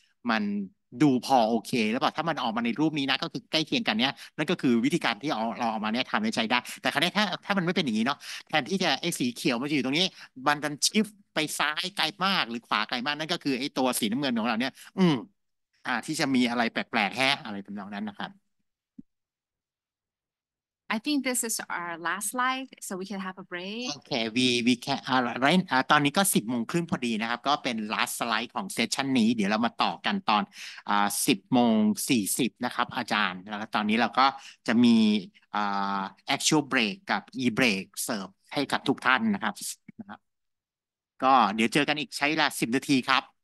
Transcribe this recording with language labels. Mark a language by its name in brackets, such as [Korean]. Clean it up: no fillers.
[Thai] มันดูพอโอเคหรือเปล่าถ้ามันออกมาในรูปนี้นะก็คือใกล้เคียงกันเนี้ยนั่นก็คือวิธีการที่เราออกมาเนี้ยทำให้ใช้ได้แต่คราวนี้ถ้ามันไม่เป็นอย่างนี้เนาะแทนที่จะไอ้สีเขียวมันจะอยู่ตรงนี้มันดันชิฟไปซ้ายไกลมากหรือขวาไกลมากนั่นก็คือไอ้ตัวสีน้ำเงินของเราเนี้ยที่จะมีอะไรแปลกๆแฮะอะไรทำนองนั้นนะครับ [English] I think this is our last slide so we can have a break okay we can right [Thai] ตอนนี้ก็10โมงครึ่งพอดีนะครับก็เป็น last slide ของเซสชันนี้เดี๋ยวเรามาต่อกันตอน10โมง40นะครับอาจารย์แล้วตอนนี้เราก็จะมี actual break กับ e break เสิร์ฟให้กับทุกท่านนะครับก็เดี๋ยวเจอกันอีกใช้เวลา10นาทีครับ